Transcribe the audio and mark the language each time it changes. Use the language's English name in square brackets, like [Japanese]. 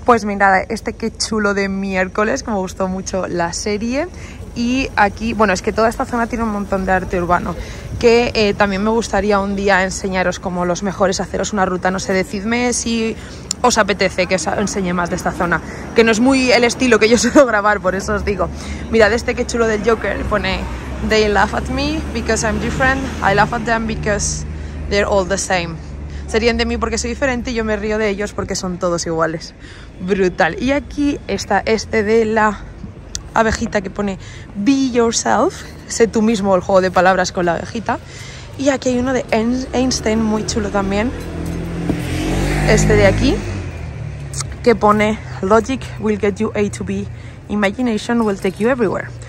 [Spanish] Pues mirad, este qué chulo de miércoles, que me gustó mucho la serie. Y aquí, bueno, es que toda esta zona tiene un montón de arte urbano, que también me gustaría un día enseñaros como los mejores, haceros una ruta, no sé, decidme si os apetece que os enseñe más de esta zona, que no es muy el estilo que yo suelo grabar, por eso os digo. Mirad este qué chulo del Joker, pone [English] "They laugh at me because I'm different, I laugh at them because they're all the same". [Spanish] Se ríen de mí porque soy diferente y yo me río de ellos porque son todos iguales. Brutal. Y aquí está este de la abejita que pone [English] "Be yourself", [Spanish] sé tú mismo, el juego de palabras con la abejita. Y aquí hay uno de Einstein muy chulo también, este de aquí, que pone [English] "Logic will get you A to B, imagination will take you everywhere".